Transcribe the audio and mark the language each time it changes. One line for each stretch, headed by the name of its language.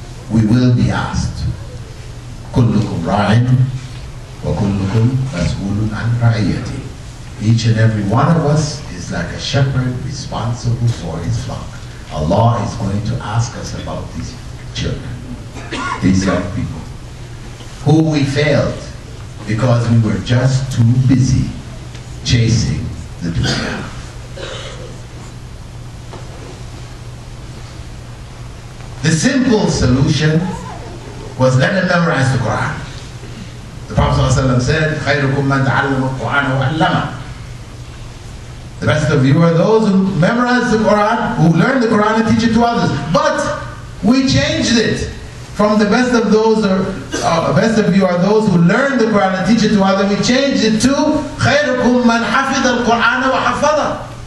English: We will be asked,
Arabic: كُلُّكُمْ رَعِنْ وَكُلُّكُمْ مَسْئُولٌ عَنْ رَعِيَتِهِ.
English: Each and every one of us is like a shepherd responsible for his flock. Allah is going to ask us about these children, these young people, who we failed because we were just too busy chasing the dunya. The simple solution was let them memorize the Quran. The Prophet ﷺ said,
Arabic: خَيْرُكُمْ مَنْ تَعَلَّمُ الْقُرْآنَ وَعَلَّمَ.
English: The best of you are those who memorize the Quran, who learn the Quran and teach it to others. But we changed it from the best of those best of you are those who learn the Quran and teach it to others. We changed it to
Arabic: خَيْرُكُمْ مَنْ حَفِظَ الْقُرْآنَ وَحَفَظَ.